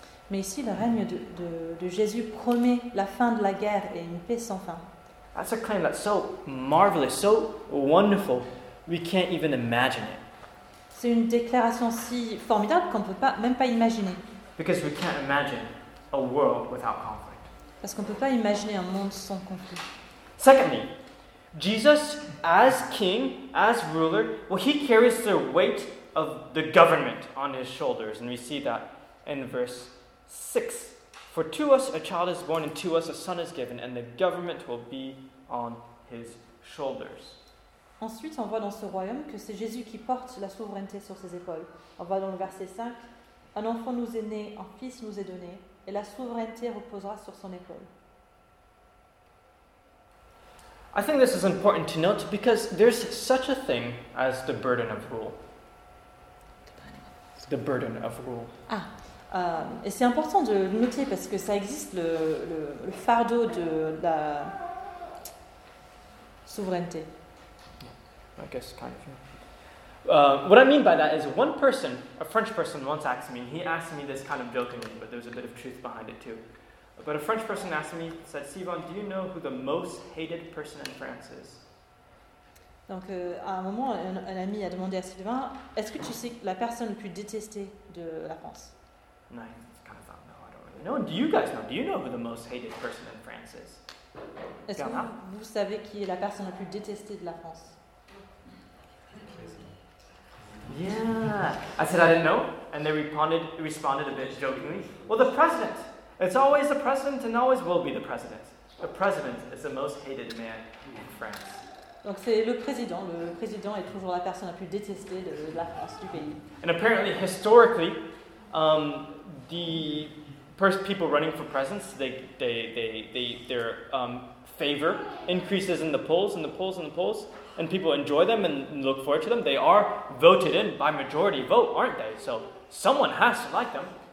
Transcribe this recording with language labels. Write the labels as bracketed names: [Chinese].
[French] Mais ici, le règne de Jésus promet la fin de la guerre et une paix sans fin. [English] That's a claim that's so marvelous, so wonderful, we can't even imagine it. [French] C'est une déclaration si formidable qu'on ne peut même pas imaginer. [English] Because we can't imagine a world without conflict. [French] Parce qu'on ne peut pas imaginer un monde sans conflit. [English] Secondly, Jesus as king, as ruler, well, he carries the weight of the government on his shoulders. And we see that in verse 6. For to us a child is born, and to us a son is given, and the government will be on his shoulders. [French] Ensuite, on voit dans ce royaume que c'est Jésus qui porte la souveraineté sur ses épaules. On voit dans le verset 5, un enfant nous est né, un fils nous est donné, et la souveraineté reposera sur son épaule. [English] I think this is important to note because there's such a thing as the burden of rule. The burden of rule. [French] Ah, et c'est important de le noter parce que ça existe le fardeau de la souveraineté. [English] I guess kind of. What I mean by that is one person, a French person once asked me, he asked me this kind of jokingly, but there's a bit of truth behind it too. But a French person asked me, said, Sivan, do you know who the most hated person in France is? [French] Donc, à un moment, un ami a demandé à Sylvain, est-ce que tu sais la personne la plus détestée de la France? [English] No, I kind of thought, no, I don't really know. Do you guys know? Do you know who the most hated person in France is? [French] Est-ce que vous savez qui est la personne la plus détestée de la France? [English] Yeah. I said, I didn't know. And they responded a bit jokingly. Well, the president. It's always the president and always will be the president. The president is the most hated man in France. [French] Donc c'est le président. Le président est toujours la personne la plus détestée de la France, du pays. [English] And apparently, historically, the people running for presidents, their favor increases in the polls, in the polls, in the polls, and people enjoy them and look forward to them. They are voted in by majority vote, aren't they? So someone has to like them.